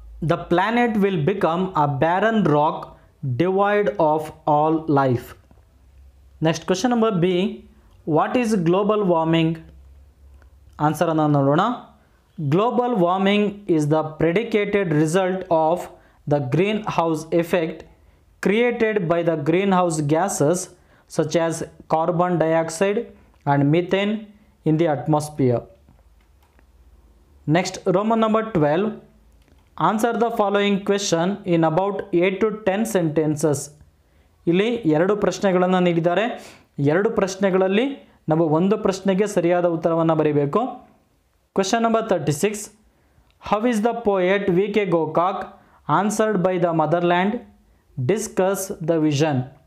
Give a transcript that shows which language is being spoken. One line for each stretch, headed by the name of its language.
English: The planet will become a barren rock, divide of all life. Next question number B, what is global warming?
Kannada: ಆನ್ಸರನ್ನು ನೋಡೋಣ.
English: Global warming is the predicated result of the greenhouse effect created by the greenhouse gases such as carbon dioxide and methane in the atmosphere. Next, Roman number 12. Answer the following question in about 8 to 10 sentences.
Kannada: ಇಲ್ಲಿ ಎರಡು ಪ್ರಶ್ನೆಗಳನ್ನು ನೀಡಿದ್ದಾರೆ. ಎರಡು ಪ್ರಶ್ನೆಗಳಲ್ಲಿ ನಾವು ಒಂದು ಪ್ರಶ್ನೆಗೆ ಸರಿಯಾದ ಉತ್ತರವನ್ನು ಬರೀಬೇಕು.
English: Question number 36. How is the poet V K Gokak answered by the motherland discuss the vision.